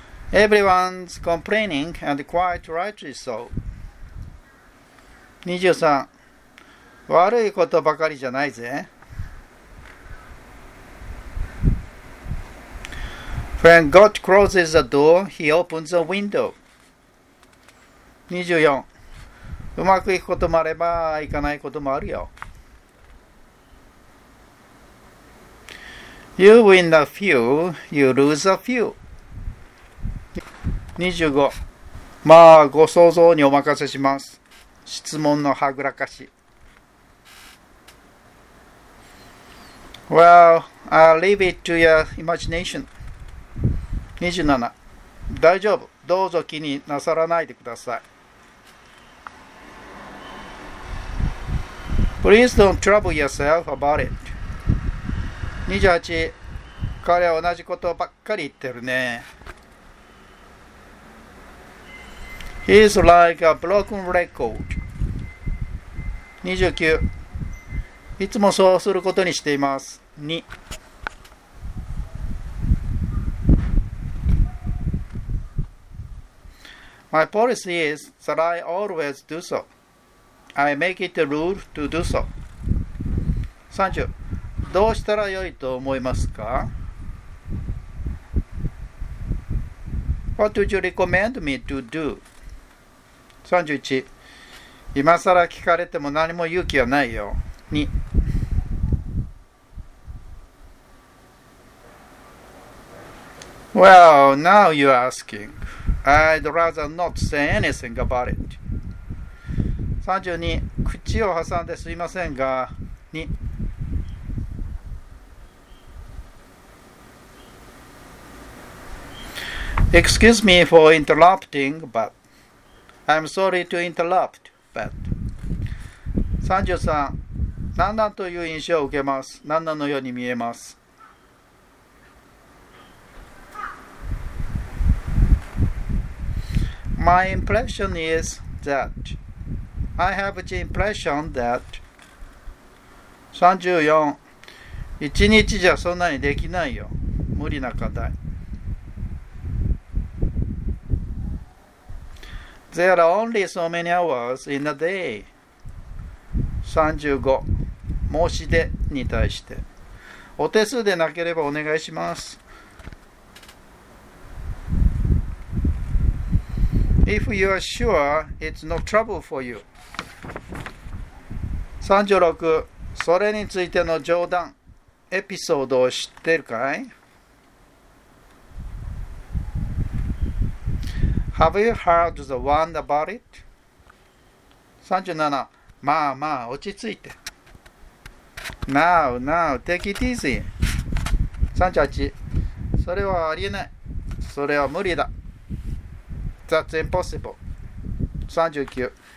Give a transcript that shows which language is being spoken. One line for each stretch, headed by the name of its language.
English: Everyone's complaining and quite rightly so. 23.
Japanese: 悪いことばかりじゃないぜ。
English: When God closes the door, He opens the window. 24.
Japanese: うまくいくこともあれば、いかないこともあるよ。
English: You win a few, you lose a few. 25.
Japanese: まあ、ご想像にお任せします。質問のはぐらかし。
English: Well, I'll leave it to your imagination. 27.
Japanese: 大丈夫。どうぞ気になさらないでください。
English: Please don't trouble yourself about it. 28。
Japanese: 彼は同じことばっかり言ってるね。
English: He's like a broken record. 29。
Japanese: いつもそうすることにしています。
English: 2。 My policy is that I always do so. I make it a rule to do so. 30.
Japanese: どうしたらよいと思いますか?
English: What would you recommend me to do? 31.
Japanese: 今さら聞かれても何も勇気はないよ。
English: 2. Well, now you're asking. I'd rather not say anything about it. 32.
Japanese: 口を挟んですいませんが、2.
English: Excuse me for interrupting, but I'm sorry to interrupt, but 33.
Japanese: 何なんという印象を受けます。何なのように見えます。
English: My impression is that I have the impression that 34.
Japanese: 一日じゃそんなにできないよ。無理な課題。
English: There are only so many hours in a day. 35.
Japanese: 申し出に対してお手数でなければお願いします。
English: If you are sure, it's no trouble for you. 36.
Japanese: それについての冗談、エピソードを知ってるかい?
English: Have you heard the one about it? 37.
Japanese: まあまあ、落ち着いて。
English: Now, take it easy. 38.
Japanese: それはありえない。それは無理だ。
English: That's impossible. 39.